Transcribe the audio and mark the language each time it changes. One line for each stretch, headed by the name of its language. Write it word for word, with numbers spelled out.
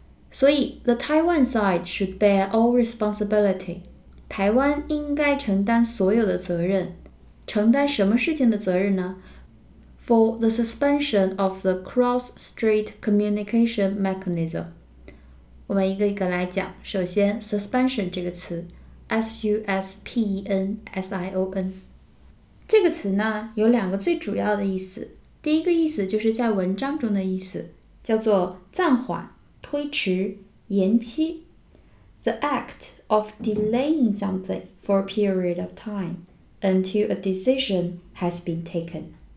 English: 所以 the Taiwan side should bear all responsibility.
Chinese: 台湾应该承担所有的责任，承担什么事情的责任呢？
English: For the suspension of the cross-strait communication mechanism.
Chinese: 我们一个一个来讲。首先 suspension 这个词 S U S P E N S I O N 这个词呢有两个最主要的意思。第一个意思就是在文章中的意思，叫做暂缓、推迟、延期。
English: The act of delaying something for a period of time until a decision has been taken.